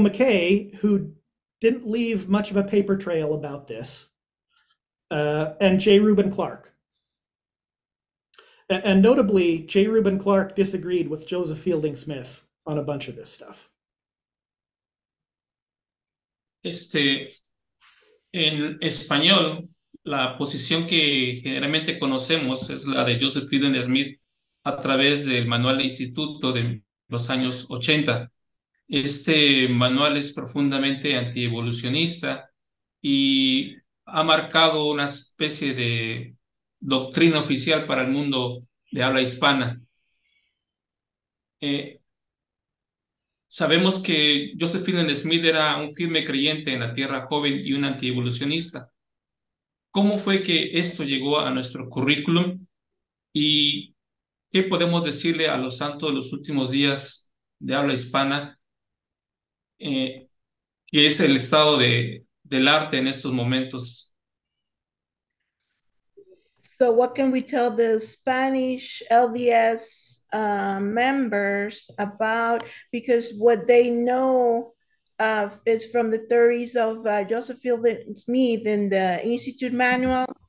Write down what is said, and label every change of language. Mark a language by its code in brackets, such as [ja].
[en] McKay, who didn't leave much of a paper trail about this, and J. Reuben Clark. And notably, J. Reuben Clark disagreed with Joseph Fielding Smith on a bunch of this stuff. [es] Este, en español, la posición que generalmente conocemos es la de Joseph Fielding Smith a través del manual de instituto de los años 80. Este manual es profundamente antievolucionista y ha marcado una especie de doctrina oficial para el mundo de habla hispana. Sabemos que Joseph Fielding Smith era un firme creyente en la Tierra Joven y un antievolucionista. ¿Cómo fue que esto llegó a nuestro currículum? Y ¿qué podemos decirle a los santos de los últimos días de habla hispana, que es el estado del arte en estos momentos? [en] So what can we tell the Spanish LDS members about, because what they know is from the 30s of Joseph Fielding Smith in the Institute manual.